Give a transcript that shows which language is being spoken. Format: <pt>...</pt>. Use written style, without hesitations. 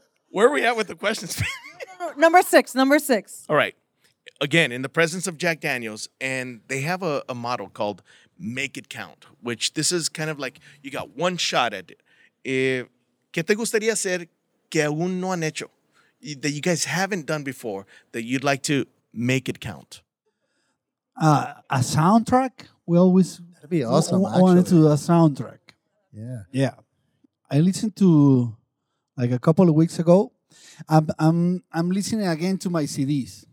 <en>Where are we at with the questions? Number six. All right. Again, in the presence of Jack Daniels, and they have a model called Make It Count, which this is kind of like you got one shot at it.</en> <es>¿Qué te gustaría hacer que aún no han hecho?</es> <en>That you guys haven't done before, that you'd like to make it count? A soundtrack? We always That'd be awesome, wanted actually. To do a soundtrack. Yeah. I listened to, like, a couple of weeks ago. I'm listening again to my CDs.</en>